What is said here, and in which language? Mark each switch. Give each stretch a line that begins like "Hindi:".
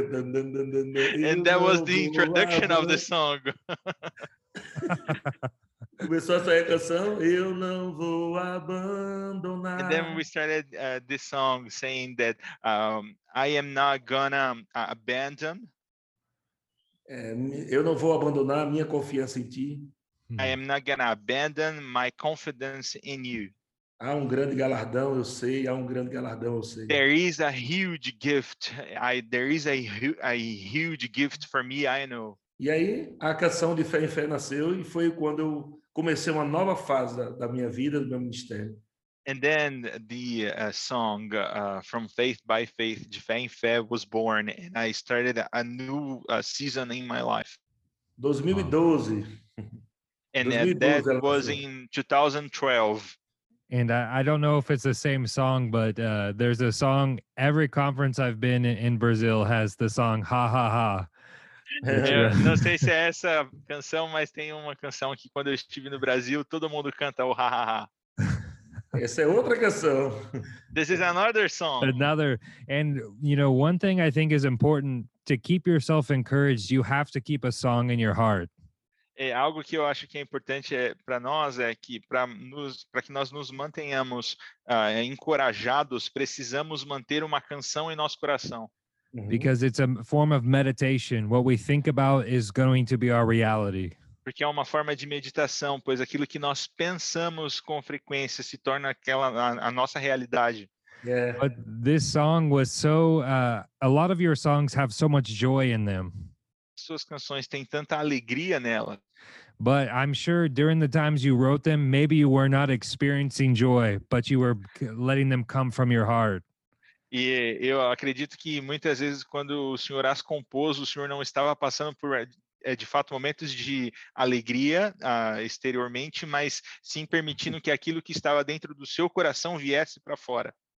English: And that was the introduction of the song.
Portuguese: Começou essa canção, eu não vou abandonar.
English: And then we started this song saying that I am not gonna abandon.
Portuguese: Eu não vou abandonar a minha confiança em ti.
English: I am not gonna abandon my confidence in you.
Portuguese: Há grande galardão, eu sei. Há grande galardão, eu sei.
English: There is a huge gift. There is a huge gift for me, I know.
Portuguese: E aí, a canção de Fé em Fé nasceu e foi quando eu comecei uma nova fase da minha vida, do meu ministério.
English: And then the song From Faith by Faith, de Fé em Fé, was born. And I started a new season in my life. 2012. And 2012, that was in 2012. And I don't know if it's the same song, but there's a song, every conference I've been in Brazil has the song, Ha Ha Ha.
Portuguese: Não sei se é essa canção, mas tem uma canção que quando eu estive no Brasil, todo mundo canta o ha ha ha. Essa é outra canção.
English: This is another song. Another. And, you know, one thing I think is important to keep yourself encouraged, you have to keep a song in your heart.
Portuguese: É algo que eu acho que é importante para nós é que para que nós nos mantenhamos encorajados, precisamos manter uma canção em nosso coração.
English: Because it's a form of meditation. What we think about is going to be our reality.
Portuguese: Porque é uma forma de meditação, pois aquilo que nós pensamos com frequência se torna aquela a nossa realidade.
English: Yeah. But this song was so a lot of your songs have so much joy in them.
Portuguese: Suas canções têm tanta alegria nela.
English: But I'm sure during the times you wrote them, maybe you were not experiencing joy, but you were letting them come from your heart.
Portuguese: E eu acredito que muitas vezes quando o senhor as compôs, o senhor não estava passando por de fato momentos de alegria exteriormente, mas sim permitindo que aquilo que estava dentro do seu coração viesse para fora.